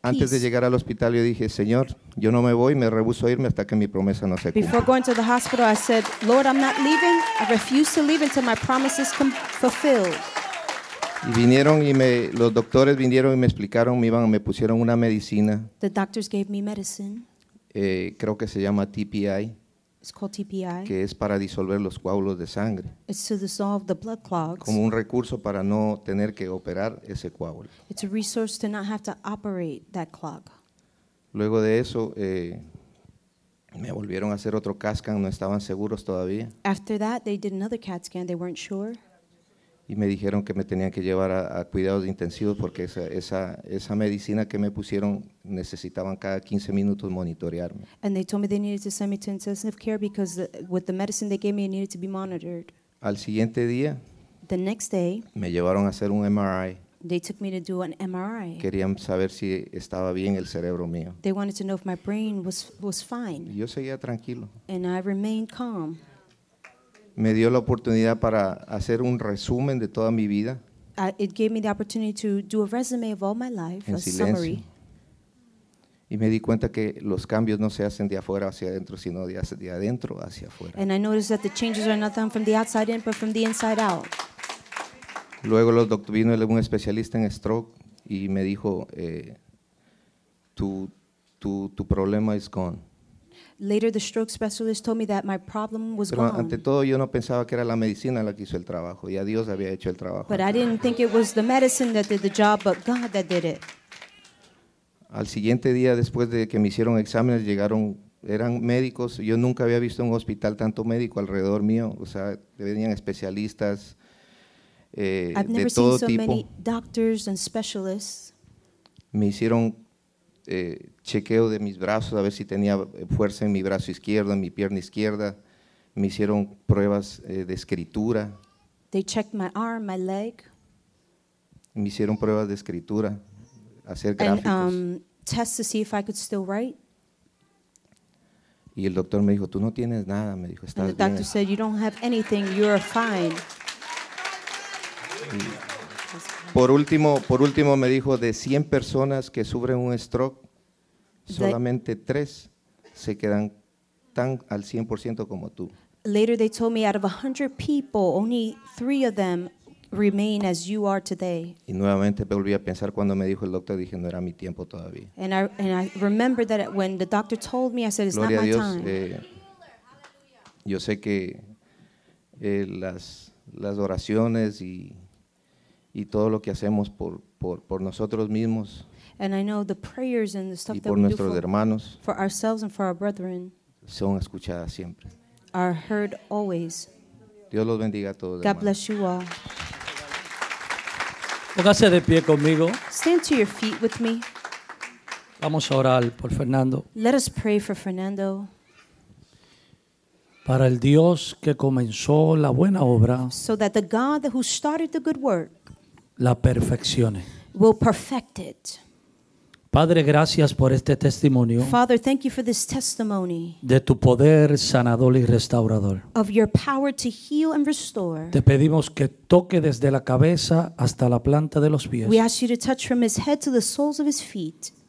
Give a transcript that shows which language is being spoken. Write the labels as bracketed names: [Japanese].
[Spanish] Antes de llegar al hospital yo dije, Señor, yo no me voy, me rehuso a irme hasta que mi promesa no se cumpla. [English] Before going to the hospital I said, Lord, I'm not leaving. I refuse to leave until my promise is fulfilled. [Spanish] Y vinieron y los doctores vinieron y me explicaron, me pusieron una medicina. [English] The doctors gave me medicine. [Spanish] Creo que se llama TPI. [English] It's called TPI. [Spanish] Que es para disolver los coágulos de sangre. [English] It's to dissolve the blood clogs. [Spanish] Como un recurso para no tener que operar ese coágulo. [English] It's a resource to not have to operate that clog. [Spanish] Luego de eso, me volvieron a hacer otro CAT scan, no estaban seguros todavía. [English] After that, they did another CAT scan, they weren't sure. [Spanish] Y me dijeron que me tenían que llevar a cuidados intensivos porque esa medicina que me pusieron necesitaban cada 15 minutos monitorearme. [English] And they told me they needed to send me to intensive care because with the medicine they gave me, it needed to be monitored. [Spanish] Al siguiente día, [English] the next day, [Spanish] me llevaron a hacer un MRI. [English] They took me to do an MRI. [Spanish] Querían saber si estaba bien el cerebro mío. [English] They wanted to know if my brain was fine. [Spanish] Yo seguía tranquilo. [English] And I remained calm. [Spanish] Me dio la oportunidad para hacer un resumen de toda mi vida. [English] It gave me the opportunity to do a resume of all my life, [Spanish] en silencio. [English] Summary. [Spanish] Y me di cuenta que los cambios no se hacen de afuera hacia adentro, sino de adentro hacia afuera. [English] And I noticed that the changes are not done from the outside in, but from the inside out. [Spanish] Luego vino un especialista en stroke y me dijo, tu problema [English] is gone. Later, the stroke specialist told me that my problem was [Spanish] pero [English] gone. [Spanish] Ante todo, yo no pensaba que era la medicina la que hizo el trabajo. Ya Dios había hecho el trabajo. [English] But I didn't think it was the medicine that did the job, but God that did it. [Spanish] Al siguiente día después de que me hicieron exámenes, llegaron, eran médicos. Yo nunca había visto un hospital tanto médico alrededor mío. O sea, venían especialistas de todo tipo. [English] I've never seen so many doctors and specialists. [Spanish] Me hicieron chequeo de mis brazos, a ver si tenía fuerza en mi brazo izquierdo, en mi pierna izquierda. Me hicieron pruebas de escritura. [English] They checked my arm, my leg. [Spanish] Me hicieron pruebas de escritura, hacer gráficos. [English] And tests to see if I could still write. [Spanish] Y el doctor me dijo, tú no tienes nada, me dijo, estás bien. [English] The doctor said, you don't have anything, you're fine. [Spanish] Y por último me dijo, de 100 personas que sufren un stroke, solamente 3 se quedan tan al 100% como tú. [English] Later they told me, out of 100 people, only 3 of them remain as you are today. [Spanish] Y nuevamente volví a pensar cuando me dijo el doctor, dije, no era mi tiempo todavía. [English] And I remember that when the doctor told me, I said, it's [Spanish] Gloria [English] not [Spanish] a Dios, [English] my time. [Spanish] Yo sé que las oraciones y todo lo que hacemos por nosotros mismos. [English] And I know the prayers and the stuff [Spanish] y por nuestros hermanos. [English] For ourselves and for our brethren. [Spanish] Son escuchadas siempre. [English] Are heard always. [Spanish] Dios los bendiga a todos. [English] God bless you all. [Spanish] Póngase de pie conmigo. [English] Stand to your feet with me. [Spanish] Vamos a orar por Fernando. [English] Let us pray for Fernando. [Spanish] Para el Dios que comenzó la buena obra. [English] So that the God who started the good work. [Spanish] La perfeccione. [English] Will perfect it. [Spanish] Padre, gracias por este testimonio. [English] Father, thank you for this testimony. [Spanish] De tu poder sanador y restaurador. [English] Of your power to heal and restore. [Spanish] Te pedimos que toque desde la cabeza hasta la planta de los pies. [English] We ask you to touch from his head to the soles of his feet.